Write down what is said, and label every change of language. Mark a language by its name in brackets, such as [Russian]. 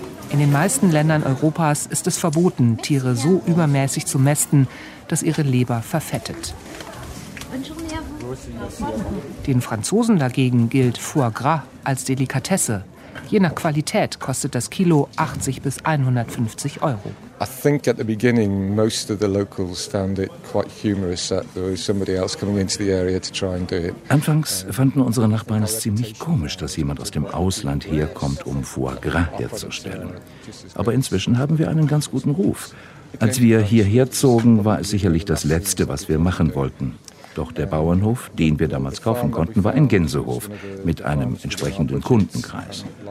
[German] In den meisten Ländern Europas ist es verboten, Tiere so übermäßig zu mästen, dass ihre Leber verfettet. Den Franzosen dagegen gilt Foie gras als Delikatesse. Je nach Qualität kostet das Kilo 80 bis 150 Euro. [English] I think at the beginning most of the locals found it quite humorous that there was somebody else coming into the area to try and do it. [German] Anfangs fanden unsere Nachbarn es ziemlich komisch, dass jemand aus dem Ausland herkommt, um Foie gras herzustellen. Aber inzwischen haben wir einen ganz guten Ruf. Als wir hierher zogen, war es sicherlich das Letzte, was wir machen wollten. Doch der Bauernhof, den wir damals kaufen konnten, war ein Gänsehof mit einem entsprechenden Kundenkreis.